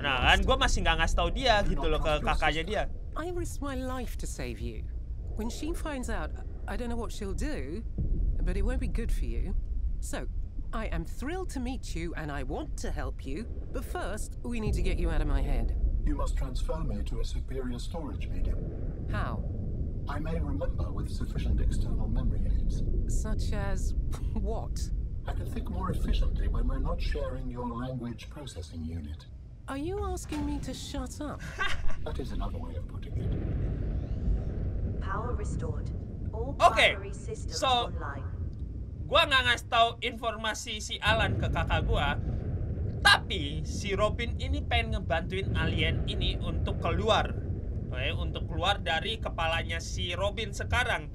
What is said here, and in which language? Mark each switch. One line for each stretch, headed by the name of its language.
Indonesian: Nah, kan gua masih enggak ngasih tahu dia gitu loh ke kakaknya dia.
English: I risk my life to save you. When she finds out, I don't know what she'll do, but it won't be good for you. So I am thrilled to meet you, and I want to help you. But first, we need to get you out of my head. You must transfer me to a superior storage medium. How? I may remember with sufficient external memory aids. Such as what? I can think more efficiently when we're not sharing your language processing unit. Are you asking me to shut up? That is another way of putting it. Power restored. All okay. Primary systems so online.
Indonesian: Gua nggak ngasih tahu informasi si Alan ke kakak gua, tapi si Robin ini pengen ngebantuin alien ini untuk keluar, okay, untuk keluar dari kepalanya si Robin sekarang.